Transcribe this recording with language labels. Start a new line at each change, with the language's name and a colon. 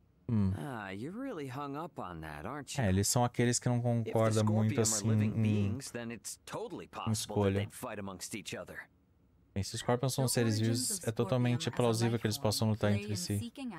English: Ah, you're really hung up on that, aren't you?
Portuguese: É, eles são aqueles que não concordam muito assim
English: beings, then it's totally possible that they fight amongst each other.
Portuguese: Bem, se os Scorpions são seres vivos, é totalmente plausível que eles possam lutar entre si.